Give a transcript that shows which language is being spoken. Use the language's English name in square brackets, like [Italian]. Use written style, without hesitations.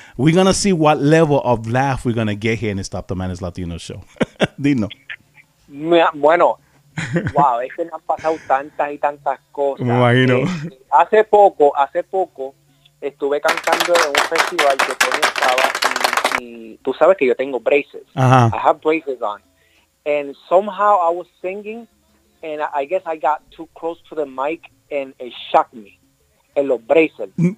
[English] We're going to see what level of laugh we're going to get here in the Stop the Madness Latino Show. [Spanish] Dino. Bueno. Wow, es que me han pasado tantas y tantas cosas. Me imagino. Hace poco estuve cantando en un festival que Tony estaba y tú sabes que yo tengo braces. Uh-huh. [English] I have braces on. And somehow I was singing and I guess I got too close to the mic and it shocked me [Spanish] en los braces.